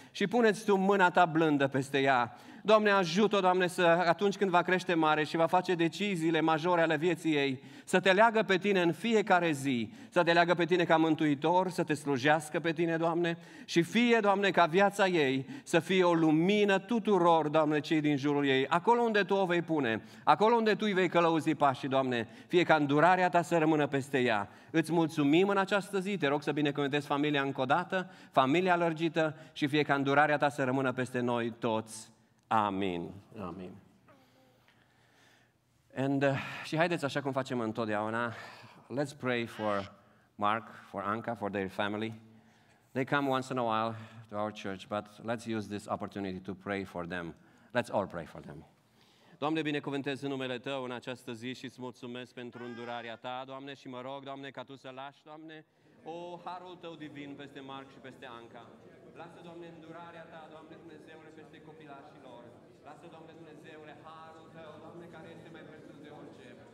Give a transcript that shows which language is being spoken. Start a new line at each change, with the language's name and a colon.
Romanian: Și pune-ți Tu mâna Ta blândă peste ea. Doamne, ajută-o, Doamne, să atunci când va crește mare și va face deciziile majore ale vieții ei, să Te leagă pe Tine în fiecare zi, să Te leagă pe Tine ca mântuitor, să Te slujească pe Tine, Doamne, și fie, Doamne, ca viața ei să fie o lumină tuturor, Doamne, cei din jurul ei, acolo unde Tu o vei pune, acolo unde Tu îi vei călăuzi pașii, Doamne, fie ca îndurarea Ta să rămână peste ea. Îți mulțumim în această zi, te rog să binecuvântezi familia încă o dată, familia lărgită și fie ca îndurarea Ta să rămână peste noi toți. Amin. Amin. And și haideți așa cum facem întotdeauna.
English: Let's pray for Mark, for Anca, for their family. They come once in a while to our church, but let's use this opportunity to pray for them. Let's all pray for them.
Romanian: Doamne, binecuvântez în numele Tău în această zi și îți mulțumesc pentru îndurarea Ta, Doamne, și mă rog, Doamne, ca Tu să lași, Doamne, o harul Tău divin peste Mark și peste Anca. Lasă, Doamne, îndurarea Ta, Doamne Dumnezeule, peste copilașii lor. Lasă, Doamne Dumnezeule, harul Tău, Doamne, care este mai presus de orice.